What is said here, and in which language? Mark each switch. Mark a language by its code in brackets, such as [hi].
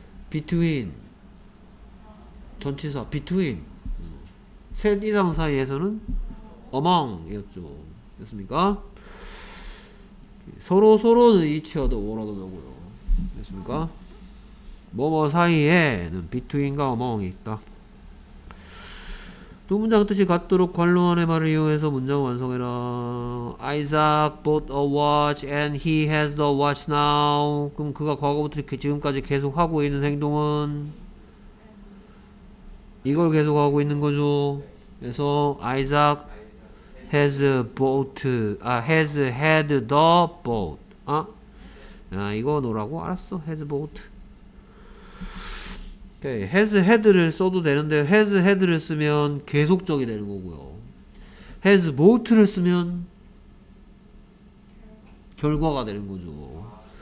[ko] between 전치사 between 셋 이상 사이에서는 among이었죠. 됐습니까? 서로 서로는 [en] each other [ko] 원하더라고요. 됐습니까? 뭐뭐 사이에는 between과 among이 있다. 두 문장 뜻이 같도록 관로안의 말을 이용해서 문장 완성해라. [en] Isaac bought a watch and he has the watch now. [ko] 그럼 그가 과거부터 지금까지 계속 하고 있는 행동은 이걸 계속 하고 있는 거죠. 그래서 [en] Isaac has bought, has had the boat. [ko] 아, 야, 이거 너라고 알았어. [en] Has bought. [ko] Okay. has had를 써도 되는데 has had를 쓰면 계속적이 되는 거고요. has bought를 쓰면 결과가 되는 거죠.